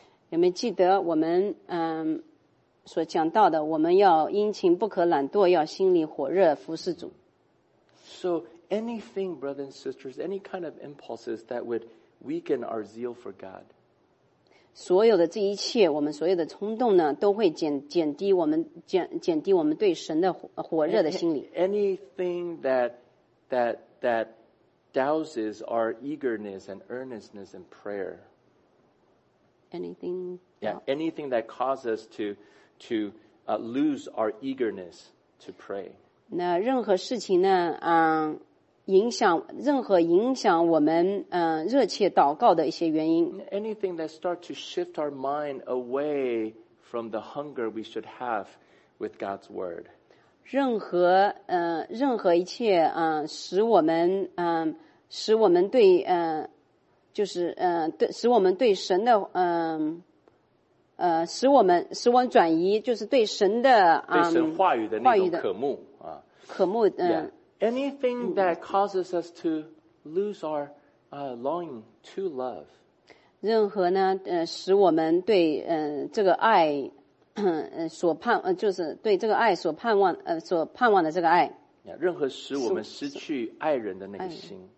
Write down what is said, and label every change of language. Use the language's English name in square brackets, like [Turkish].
[Chinese] 有没有记得我们所讲到的，我们要殷勤不可懒惰，要心里火热服侍主。 [English] So anything, brothers and sisters, any kind of impulses that would weaken our zeal for God. [Chinese] 所有的这一切，我们所有的冲动呢，都会减低我们对神的火热的心理。 [English] Anything that douses our eagerness and earnestness in prayer. Anything, anything that causes us to lose our eagerness to pray. [Chinese] 那任何事情呢？影响我们热切祷告的一些原因。 [English] Anything that starts to shift our mind away from the hunger we should have with God's word. [Chinese] 任何一切使我们对就是对使我们对神的使我们转移，就是对神的对神话语的那种渴慕渴慕 [English] Anything that causes us to lose our longing to love. [Chinese] 任何呢使我们对这个爱所盼就是对这个爱所盼望所盼望的这个爱。任何使我们失去爱人的那个心。